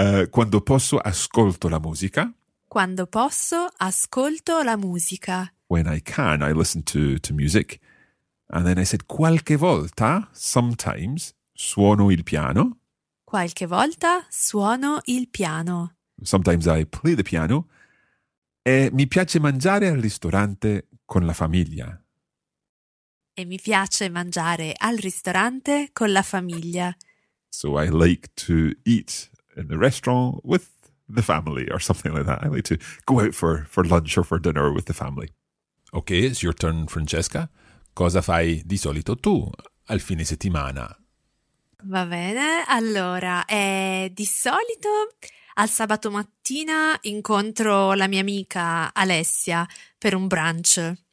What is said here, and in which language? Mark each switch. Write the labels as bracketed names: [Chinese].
[Italian] Quando posso, ascolto la musica. Quando posso, ascolto la musica. [English] When I can, I listen to music. And then I said, [Italian] qualche volta, [English] sometimes, [Italian] suono il piano. Qualche volta suono il piano. [English] Sometimes I play the piano. [Italian] E mi piace mangiare al ristorante con la famiglia. E mi piace mangiare al ristorante con la famiglia. [English] So I like to eat in the restaurant with the family or something like that. I like to go out for lunch or for dinner with the family. Ok, it's your turn, Francesca. [Italian] Cosa fai di solito tu al fine settimana? Va bene, allora, di solito al sabato mattina incontro la mia amica Alessia per un brunch.